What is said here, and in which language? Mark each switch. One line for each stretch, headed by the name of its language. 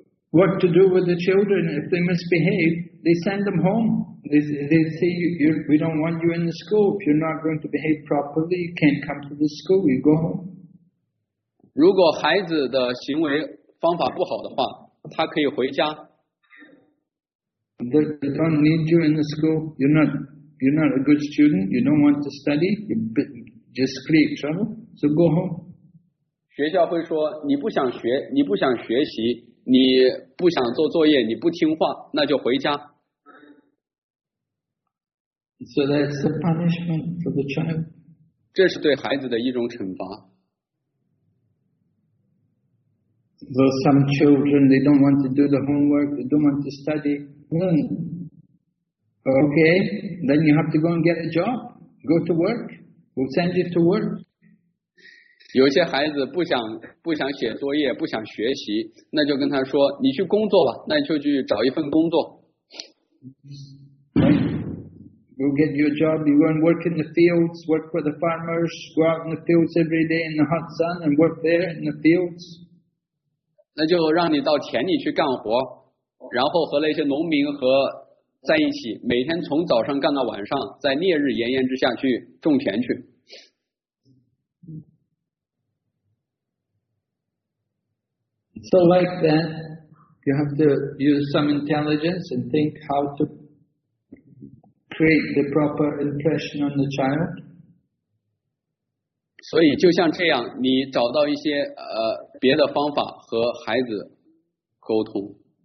English: What to do with the children if they misbehave? They send them home. They say, we don't want you in the school. If you're not going to behave properly, you can't come to the school. You go home.
Chinese: 如果孩子的行为方法不好的话，他可以回家。
English: They don't need you in the school. You're not a good student. You don't want to study. You just create trouble. So go home.
Chinese: 学校会说，你不想学习。你不想做作业，你不听话，那就回家。
English: So that's the punishment for the child.
Chinese: 这是对孩子的一种惩罚。
English: So some children, they don't want to do the homework, they don't want to study. Okay, then you have to go and get a job. Go to work. We'll send you to work.
Chinese: 有些孩子不想写作业，不想学习，那就跟他说：“你去工作吧，那就去找一份工作。”
English: We'll get you a job. You go and work in the fields, work for the farmers. Go out in the fields every day in the hot sun and work there in the fields.
Chinese: 那就让你到田里去干活，然后和那些农民和在一起，每天从早上干到晚上，在烈日炎炎之下去种田去。
English: So like that, you have to use some intelligence and think how to create the proper impression on the child.
Chinese: 所以就像这样，你找到一些别的方法和孩子沟通。